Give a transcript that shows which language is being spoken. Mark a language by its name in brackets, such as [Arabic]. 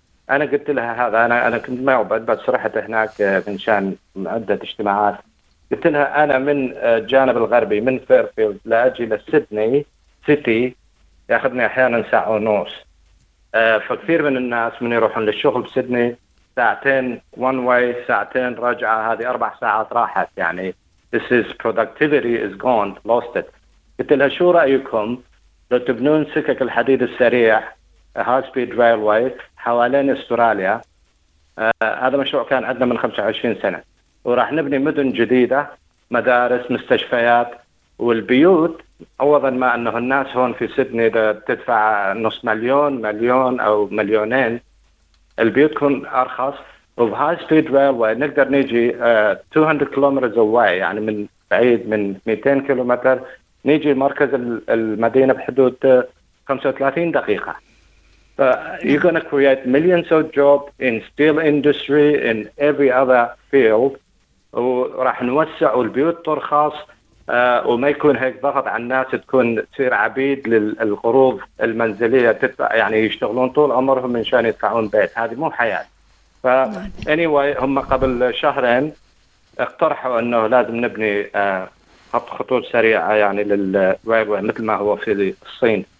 [Arabic] أنا قلت لها هذا, أنا كنت معبد بس رحت هناك من شان عدة اجتماعات. قلت لها أنا من جانب الغربي من فيرفيلد لأجي لسيدني سيتي يأخذني أحياناً ساعة ونص. فكثير من الناس من يروحون للشغل بسيدني ساعتين [English] one way, [Arabic] ساعتين رجعة, هذه 4 ساعات راحت. يعني [English] this is productivity is gone, lost it. [Arabic] قلت لها شو رأيكم لو تبنون سكك الحديد السريع [English] high speed railway [Arabic] حوالين أستراليا؟ هذا مشروع كان عندنا من 25 سنة, وراح نبني مدن جديدة, مدارس, مستشفيات, والبيوت عوضا ما أنه الناس هون في سيدني تدفع نص مليون, مليون أو مليونين, البيوت تكون أرخص. وفي [English] High Speed Railway [Arabic] نقدر نيجي 200 كيلومترز [English] away, [Arabic] يعني من بعيد من 200 كيلومتر نيجي مركز المدينة بحدود 35 دقيقة. [English] You're going to create millions of jobs in steel industry, in every other field. [Arabic] وراح نوسع البيوت ترخص, وما يكون هيك ضغط على الناس تكون تصير عبيد للقروض المنزلية, يعني يشتغلون طول عمرهم من شان يدفعون بيت, هذه مو حياة. [English] فأنيواي [Arabic] هم قبل شهرين اقترحوا انه لازم نبني خطوط سريعة يعني للريلوي مثل ما هو في الصين.